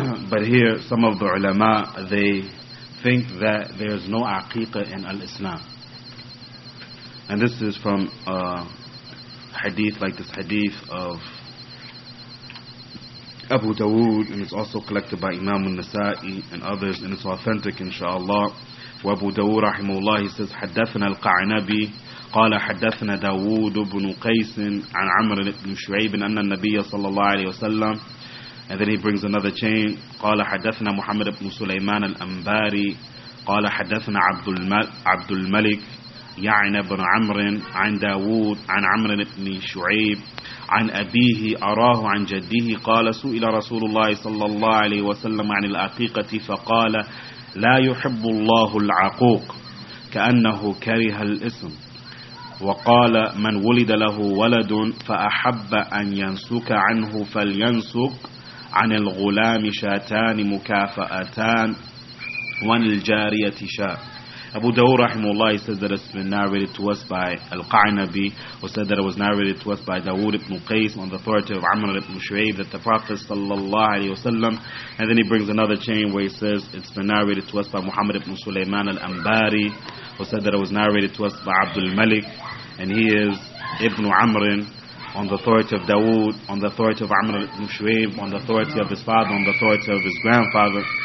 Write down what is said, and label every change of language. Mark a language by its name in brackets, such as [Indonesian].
[English] But here, some of the ulama, they think that there is no aqiqah in al-Islam. And this is from a hadith, like this hadith of Abu Dawood, and it's also collected by Imam al-Nasa'i and others, and it's authentic, inshallah. [Arabic] وَأَبُو دَوُودَ رَحِمَهُ اللَّهُ says, حَدَّثْنَا الْقَعْنَبِي قَالَ حَدَّثْنَا دَوُودُ بْنُ قَيْسٍ عَنْ عَمْرٍ بْنُ شُعَيْبٍ أَنَّ النَّبِيَّ صَلَّى اللَّهُ عَلَيْهِ وَسَلَّمَ. [English] And then he brings another chain. [Arabic] قَالَ حَدَّثْنَا مُحَمَّدَ بْنُ سُلَيْمَانَ الْأَنْبَارِي قَالَ حَدَّثْنَا عَبْدُ الْمَلِكِ يَعْنَى بْنُ عَمْرٍ عَنْ دَوُودَ عَنْ عَمْرٍ بْنِ شُعَيْبٍ عَنْ أَبِيهِ أَرَاهُ عَنْ جَدِّهِ قَالَ سُئِلَ رَسُولُ اللَّهِ صَلَّى اللَّهُ عَلَيْهِ وَسَلَّمَ عَنِ الْعَقِيقَةِ فَقَالَ لا يحب الله العقوق كأنه كره الاسم وقال من ولد له ولد فأحب أن ينسك عنه فلينسك عن الغلام شاتان مكافأتان وعن الجارية شاء. [English] Abu Dawood rahimahullah says that it's been narrated to us by Al-Qa'nabi, who said that it was narrated to us by Dawood ibn Qais on the authority of Amr ibn Shu'ayb, that the Prophet sallallahu alayhi wasallam, and then he brings another chain where he says it's been narrated to us by Muhammad ibn Sulaiman al-Ambari, who said that it was narrated to us by Abdul Malik, and he is Ibn Amr, on the authority of Dawood, on the authority of Amr ibn Shu'ayb, on the authority of his father, on the authority of his grandfather.